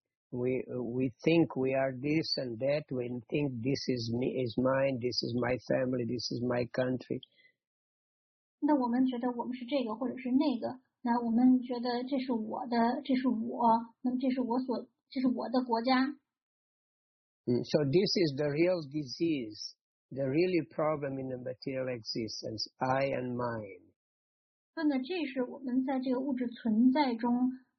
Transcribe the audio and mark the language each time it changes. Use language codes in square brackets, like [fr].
[en] We think we are this and that. We think this is me, is mine. This is my family. This is my country. [zh] 那我们觉得我们是这个或者是那个。那我们觉得这是我的，这是我，那这是我所，这是我的国家。 [en] So this is the real disease, the really problem in the material existence. I and mine. [zh] 那这是我们在这个物质存在中。